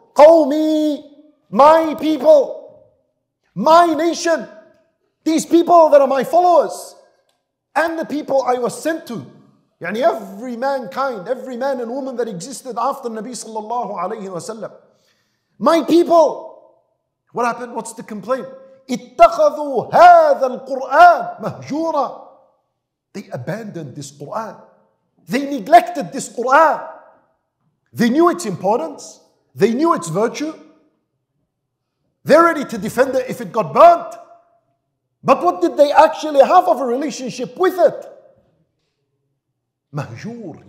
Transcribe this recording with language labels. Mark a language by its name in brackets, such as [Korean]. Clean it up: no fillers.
[English] Qawmi, my people, my nation, these people that are my followers, and the people I was sent to. Yani every mankind, every man and woman that existed after Nabi sallallahu alayhi wa sallam. My people, what happened? What's the complaint? [Arabic] اتخذوا هذا القرآن مهجورا. [English] They abandoned this Qur'an. They neglected this Qur'an. They knew its importance. They knew its virtue. They're ready to defend it if it got burnt. But what did they actually have of a relationship with it? Mahjur.